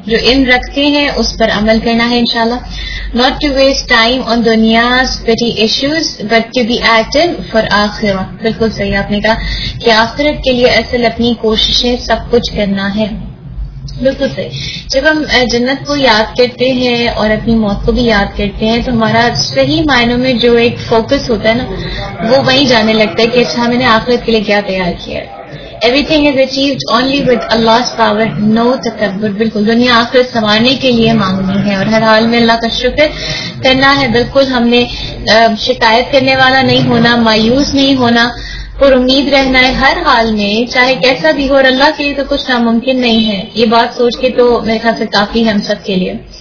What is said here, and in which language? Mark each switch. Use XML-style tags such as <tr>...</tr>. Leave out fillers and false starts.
<ur>جو علم رکھتے ہیں اس پر عمل کرنا ہے انشاءاللہ.</ur> <en>Not to waste time on</en> <ur>دنیاز</ur> <en>petty issues but to be active for</en> <ur>آخرہ, بالکل صحیح آپ نے کہا کہ آخرت کے لیے اصل اپنی کوششیں سب کچھ کرنا ہے, بالکل صحیح. جب ہم جنت کو یاد کرتے ہیں اور اپنی موت کو بھی یاد کرتے ہیں تو ہمارا صحیح معنوں میں جو ایک فوکس ہوتا ہے نا, وہ وہیں جانے لگتا ہے کہ اچھا میں نے آخرت کے لیے کیا تیار کیا ہے.</ur> <en>Everything is achieved only with Allah's power, no takabbur.</en> <ur>بالکل, دنیا آخرت سنوارنے کے لیے مانگنی ہے اور ہر حال میں اللہ کا شکر کرنا ہے. بالکل, ہم نے شکایت کرنے والا نہیں ہونا, مایوس نہیں ہونا, پر امید رہنا ہے ہر حال میں, چاہے کیسا بھی ہو. اور اللہ کے لیے تو کچھ ناممکن نہیں ہے, یہ بات سوچ کے تو میرے خیال سے کافی ہے ہم سب کے لیے.</ur>